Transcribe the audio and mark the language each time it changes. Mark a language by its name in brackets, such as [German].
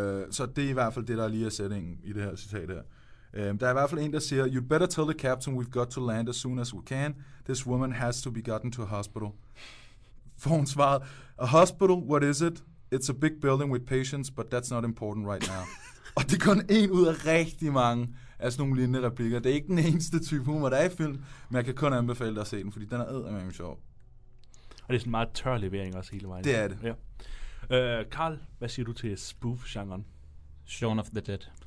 [Danish] Så det er i hvert fald det, der lige er sætningen i det her citat her. Der er i hvert fald en, der siger, [English] "You'd better tell the captain we've got to land as soon as we can. This woman has to be gotten to a hospital." [Danish] Får hun svaret, [English] "A hospital, what is it? It's a big building with patients, but that's not important right now." [Danish] Og det er kun en ud af rigtig mange af sådan nogle lignende replikker. Det er ikke den eneste type humor, der er i film, men jeg kan kun anbefale dig at se den, fordi den er eddermame sjov. Og det er sådan en meget tør levering også hele vejen. Det er det. Ja. Carl, hvad siger du til spoof-genren? Shaun of the Dead.